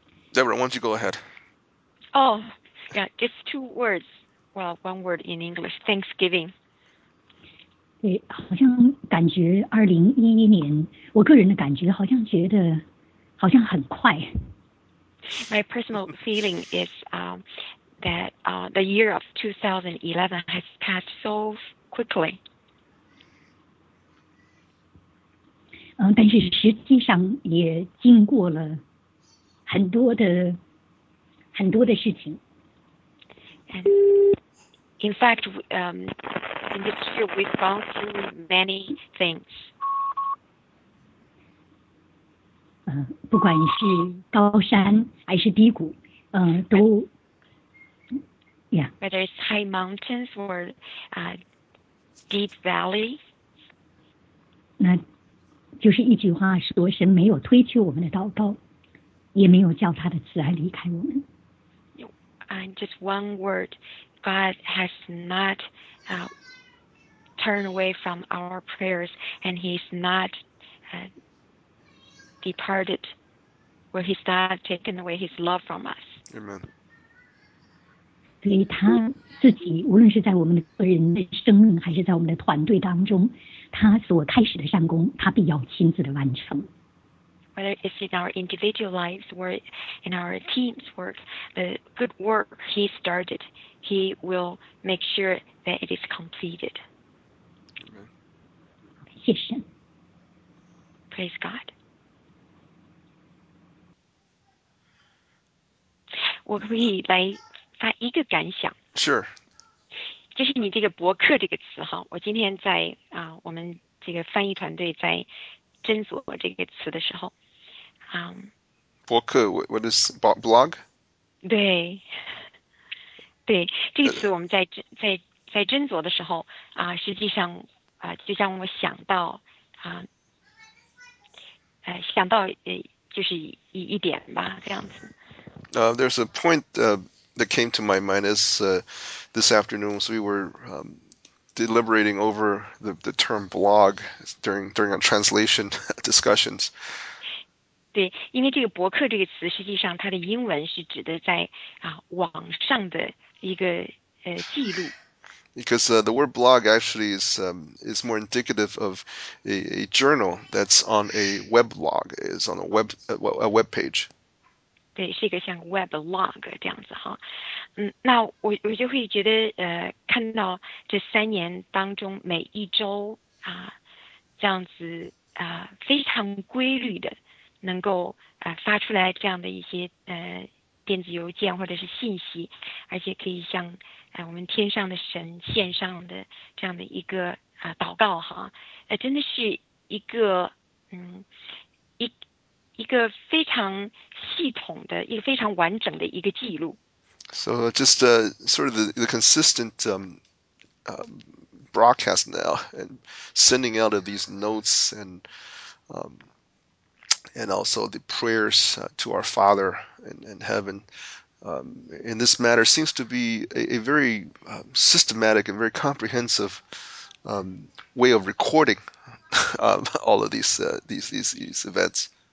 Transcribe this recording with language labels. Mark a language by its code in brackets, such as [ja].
[en] Deborah, why don't you go ahead? Oh, yeah, just two words. Well, one word in English, Thanksgiving. [zh] 对，好像感觉2011年，我个人的感觉好像觉得好像很快。 [en] My personal feeling is that the year of 2011 has passed so quickly. [zh] 但是实际上也经过了很多的事情。 [en] In fact, in this year, we've gone through many things. [zh] 不管是高山还是低谷，都呀。 [en] Whether it's high mountains or deep valley. [zh] 那就是一句话说，神没有推却我们的祷告，也没有叫他的慈爱离开我们。 [en] And just one word, God has not turned away from our prayers, and He's not departed, or He's not taken away His love from us. Amen. [zh] 所以他自己，无论是在我们的个人的生命，还是在我们的团队当中，他所开始的善功，他必要亲自的完成。 [en] Whether it's in our individual lives or in our team's work, the good work he started, he will make sure that it is completed. [zh] 谢谢。 [en] Praise God. [zh] 我可以来发一个感想， [en] Sure. [zh] 就是你这个"博客"这个词哈，我今天在我们这个翻译团队在斟酌这个词的时候。 [en] 博客，what is blog？ [zh] 对，对，这个词我们在斟酌的时候实际上就让我想到想到就是一点吧，这样子。 [en] There's a point that came to my mind as this afternoon, so we were deliberating over the term blog during our translation discussions. [zh] 对，因为这个"博客"这个词，实际上它的英文是指的在网上的一个记录。 [en] Because the word blog actually is more indicative of a journal that's on a web log, is on a web page. [zh] 对，是一个像 weblog 这样子哈，那我就会觉得看到这3年当中每一周这样子非常规律的能够发出来这样的一些电子邮件或者是信息，而且可以向我们天上的神献上的这样的一个祷告哈，真的是一个一个非常系统的，一个非常完整的一个记录。 [en] So just sort of the consistent broadcast now and sending out of these notes and also the prayers to our Father in heaven in this matter seems to be a very systematic and very comprehensive way of recording all of these events.